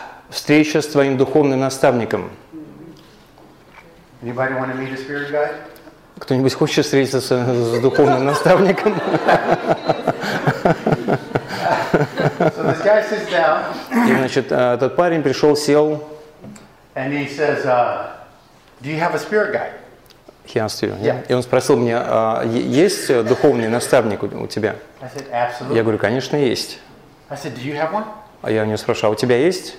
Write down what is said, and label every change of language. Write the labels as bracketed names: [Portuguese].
[Russian] Встреча с твоим духовным наставником. [English] Anybody want to meet a spirit guide? [Russian] Кто-нибудь хочет встретиться с духовным наставником? [English] So this guy sits down. [Russian] И, значит, этот парень пришел, сел. [English] And he says, do you have a spirit guide? He asked you. Yeah. [Russian] И он спросил меня, есть духовный наставник у тебя? [English] I said, absolutely. [Russian] Я говорю, конечно, есть. [English] I said, do you have one? [Russian] А я у него спрашиваю, а у тебя есть?